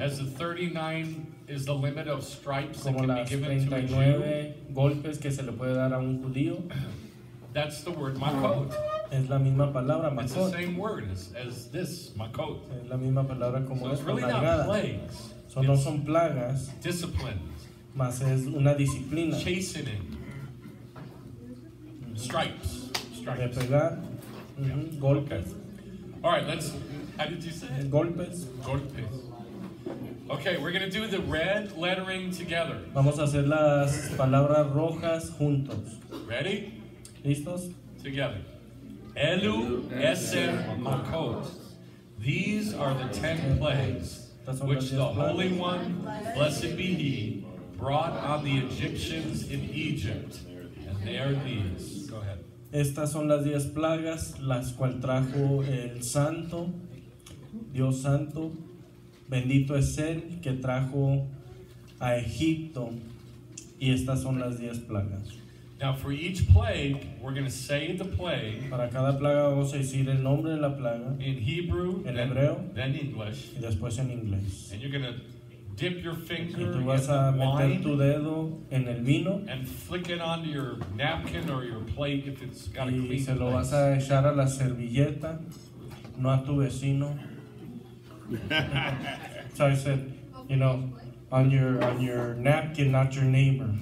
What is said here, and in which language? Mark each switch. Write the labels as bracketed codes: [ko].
[en] As the 39 is the limit of stripes that can be given to a Jew. [es] Como las 39 golpes que se le puede dar a un judío. [en] That's the word makot. [es] Es la misma palabra makot. [en] It's the same word as this makot. [es] Es la misma palabra como esta nalgada. [en] So it's really not plagues. So [es] no son plagas. [en] Discipline. [es] Más es una disciplina. [en] Chastening. Stripes. [es] De pegar. Golpes. [en] All right, let's. How did you say it? [es] Golpes. Golpes. [en] Okay, we're going to do the red lettering together. [es] Vamos a hacer las palabras rojas juntos. [en] Ready? [es] Listos? [en] Together. [he] Elu Eser Makot. [en] These are the 10 plagues which the Holy One, blessed be He, brought on the Egyptians in Egypt, and they are these. Go ahead. [es] Estas son las 10 plagas las cual trajo el Santo, Dios Santo, bendito es Él que trajo a Egipto, y estas son las 10 plagas. [en] Now for each plague, we're going to say the plague. [es] Para cada plaga vamos a decir el nombre de la plaga. [en] In Hebrew, [es] en hebreo, [en] then English, [es] y después en inglés. [en] And you're going to dip your finger [es] y tú vas a meter tu dedo en el vino, [en] and flick it onto your napkin or your plate if it's got a clean place. [es] Y se lo vas a echar a la servilleta, no a tu vecino. [en] So I said, you know, on your napkin, not your neighbor.